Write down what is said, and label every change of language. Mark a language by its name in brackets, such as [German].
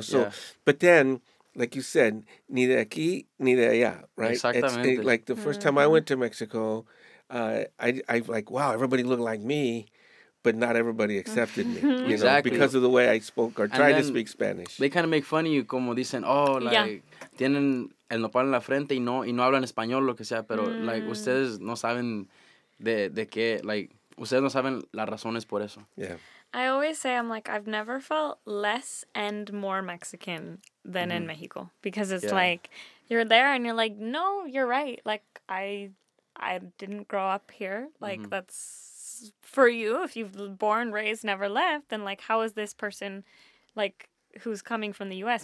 [English] So, yeah. But then, like you said, ni de aquí, ni de allá, right? [Spanish] Exactamente. [English] It's, like the first time I went to Mexico, I like, wow, everybody looked like me, but not everybody accepted me, you know, exactly. Because of the way I spoke or tried to speak Spanish. They kind of make fun of you, como dicen, oh, like, yeah. [Spanish] Tienen el nopal en la frente y no hablan español, lo que sea, pero, like, ustedes no saben de qué, like, ustedes no saben las razones por eso. [English] Yeah. I always say, I'm like, I've never felt less and more Mexican than in Mexico, because it's like, you're there and you're like, no, you're right, like, I didn't grow up here, like, that's... For you, if you've born, raised, never left, then like, how is this person, like, who's coming from the U.S.